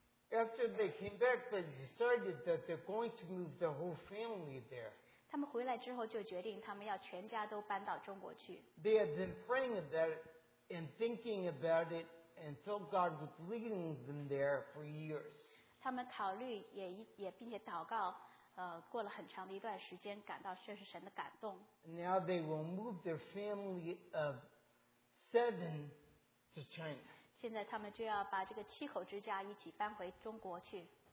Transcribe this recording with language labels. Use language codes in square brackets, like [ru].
[en] After they came back, they decided that they're going to move the whole family there. [zh] 他们回来之后就决定他们要全家都搬到中国去。 [en] They had been praying about it and thinking about it and felt God was leading them there for years. [zh] 他们考虑也并且祷告过了很长的一段时间感到这是神的感动。 [en] Now they will move their family of seven to China. [zh] 现在他们就要把这个七口之家一起搬回中国去。